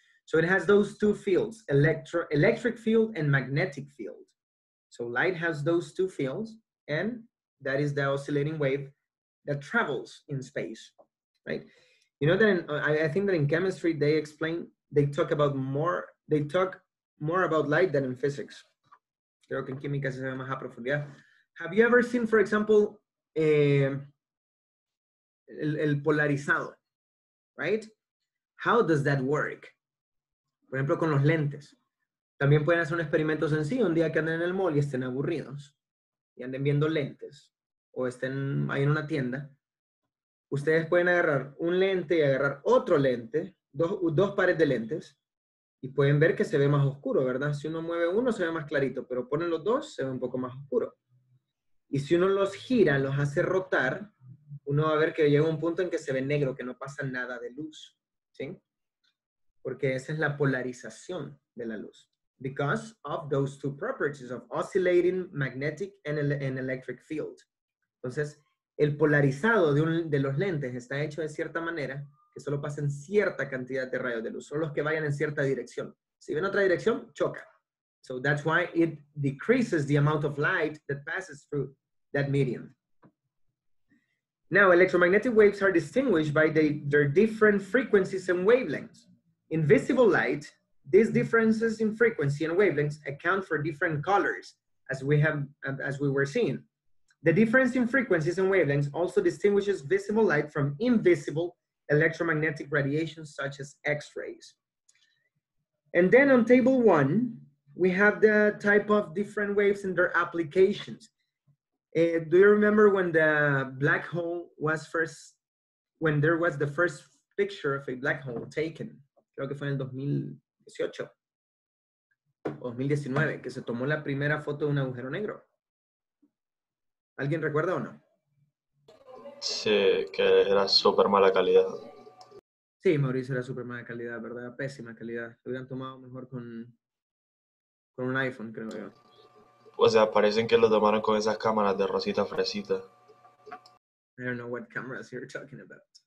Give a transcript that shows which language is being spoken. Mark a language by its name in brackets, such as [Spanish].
[English] So it has those two fields, electric field and magnetic field. So light has those two fields, and that is the oscillating wave that travels in space, right? You know that I think that in chemistry, they talk more about light than in physics. [Spanish] Creo que en química se ve más a profundidad. [English] Have you ever seen, for example, [Spanish] el polarizado, [English] right? How does that work? [Spanish] Por ejemplo, con los lentes. También pueden hacer un experimento sencillo un día que anden en el mall y estén aburridos y anden viendo lentes o estén ahí en una tienda. Ustedes pueden agarrar un lente y agarrar otro lente, dos pares de lentes, y pueden ver que se ve más oscuro, ¿verdad? Si uno mueve uno, se ve más clarito, pero ponen los dos, se ve un poco más oscuro. Y si uno los gira, los hace rotar, uno va a ver que llega un punto en que se ve negro, que no pasa nada de luz, ¿sí? Porque esa es la polarización de la luz. [English] Because of those two properties of oscillating magnetic and electric field. [Spanish] Entonces, el polarizado de los lentes está hecho de cierta manera que solo pasen cierta cantidad de rayos de luz, son los que vayan en cierta dirección. Si ven otra dirección, choca. [English] So that's why it decreases the amount of light that passes through that medium. Now, electromagnetic waves are distinguished by their different frequencies and wavelengths. In visible light, these differences in frequency and wavelengths account for different colors, as we were seeing. The difference in frequencies and wavelengths also distinguishes visible light from invisible electromagnetic radiation, such as X-rays. And then on table one, we have the type of different waves and their applications. Do you remember when the black hole was first, when there was the first picture of a black hole taken? [Spanish] Creo que fue en el 2018, 2019, que se tomó la primera foto de un agujero negro. ¿Alguien recuerda o no? Sí, que era súper mala calidad. Sí, Mauricio, era súper mala calidad, ¿verdad? Pésima calidad. Lo hubieran tomado mejor con un iPhone, creo yo. O sea, parecen que lo tomaron con esas cámaras de Rosita Fresita. [English] I don't know what cameras you're talking about.